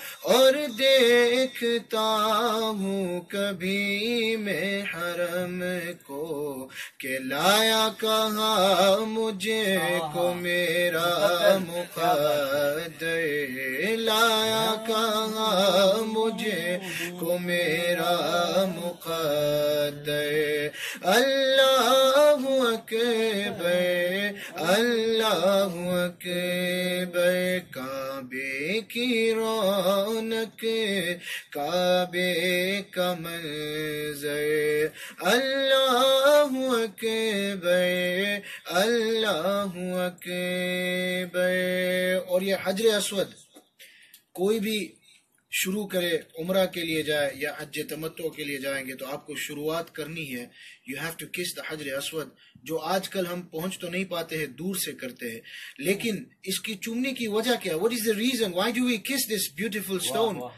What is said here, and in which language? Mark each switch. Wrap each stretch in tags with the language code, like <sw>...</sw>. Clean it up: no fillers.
<hi>aur dekhta हूँ कभी मैं हरम को, के लाया कहाँ मुझे को मेरा मुकद्दर, लाया कहाँ मुझे को मेरा मुकद्दर. अल्लाहु अकबर, अल्लाहु अकबर. काबे की रौनक, काबे का मंजर. अल्लाहु अकबर, अल्लाहु अकबर. और ये हजरे अस्वद कोई भी शुरू करे, उमरा के लिए जाए या हज तमत्तो के लिए जाएंगे, तो आपको शुरुआत करनी है.</hi> <en>You have to kiss the Hajar Aswad.</en> <hi>जो आजकल हम पहुंच तो नहीं पाते हैं, दूर से करते हैं, लेकिन इसकी चूमने की वजह क्या,</hi> <en>What is the reason, why do we kiss this beautiful stone.</en>